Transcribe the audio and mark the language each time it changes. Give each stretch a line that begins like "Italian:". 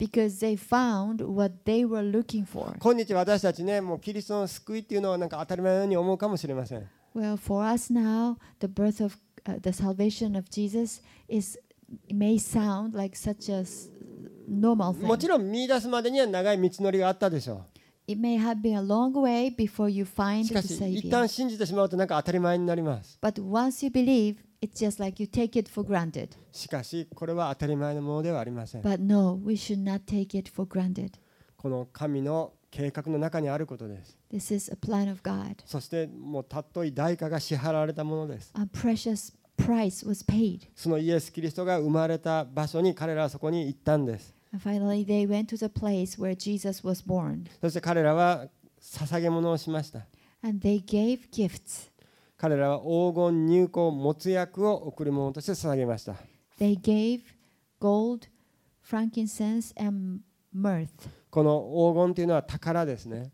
English: Because they found what they were looking for.
Japanese: 今日私たちね、もうキリストの救いっていうのはなんか当たり前のように思うかもしれません。
English: Well, for us now, the birth of the salvation of Jesus is may sound like such a normal thing.
Japanese: もちろん見出すまでには長い道のりがあったでしょう。
English: It may have been a long way before you find the Savior.
Japanese: しかし、一旦信じてしまうとなんか当たり前になります。
English: But once you believe, it's just like you take it for granted.
Japanese: しかし、これは当たり前のものではありません。
English: But no, we should not take it for granted.
Japanese: この神の計画の中にあることです。
English: This is a plan of God.
Japanese: そして、もうたっとい代価が支払われたものです。
English: A precious price was paid.
Japanese: そのイエス・キリストが生まれた場所に彼らはそこに行ったんです。
English: Finally, they went to the place where Jesus was born.
Japanese: そして彼らは捧げ物をしました。
English: And they gave gifts.
Japanese: 彼らは黄金、乳香、もつ薬を贈り物として捧げました。
English: They gave gold, frankincense, and myrrh.
Japanese: この黄金というのは宝ですね。